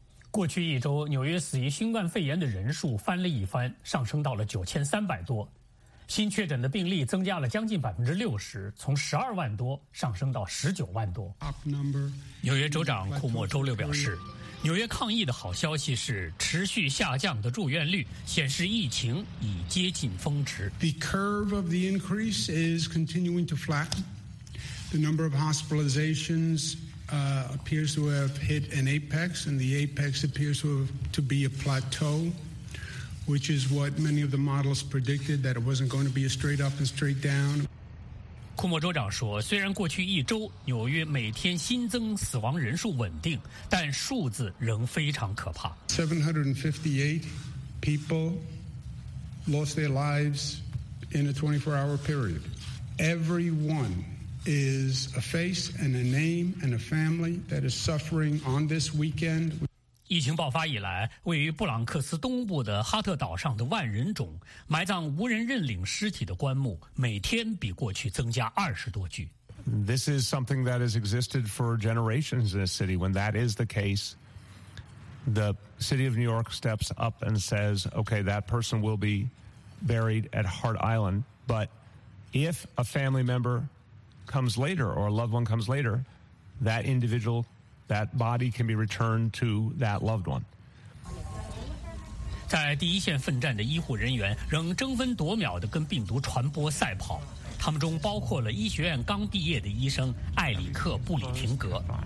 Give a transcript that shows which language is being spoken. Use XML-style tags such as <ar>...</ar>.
<zh>过去一周，纽约死于新冠肺炎的人数翻了一番，上升到了9300多。新确诊的病例增加了将近60%，从12万多上升到19万多。纽约州长库莫周六表示，纽约抗疫的好消息是持续下降的住院率，显示疫情已接近峰值。</zh> <en>The curve of the increase is continuing to flatten. The number of hospitalizations. Appears to have hit an apex, and the apex appears to be a plateau, which is what many of the models predicted, that it wasn't going to be a straight up and straight down.</en> <zh>库莫州长说，虽然过去一周纽约每天新增死亡人数稳定，但数字仍非常可怕。</zh> <en>758 people lost their lives in a 24-hour period. Everyone. Is a face and a name and a family that is suffering on this weekend.</en> <zh>疫情爆发以来，位于布朗克斯东部的哈特岛上的万人冢，埋葬无人认领尸体的棺木，每天比过去增加20多具。</zh> <en>This is something that has existed for generations in this city. When that is the case, the city of New York steps up and says, "Okay, that person will be buried at Hart Island. But if a family member." comes later or a loved one comes later, that individual, that body can be returned to that loved one.</en> <zh>在第一线奋战的医护人员仍争分夺秒地跟病毒传播赛跑，他们中包括了医学院刚毕业的医生艾里克·布里廷格。</zh>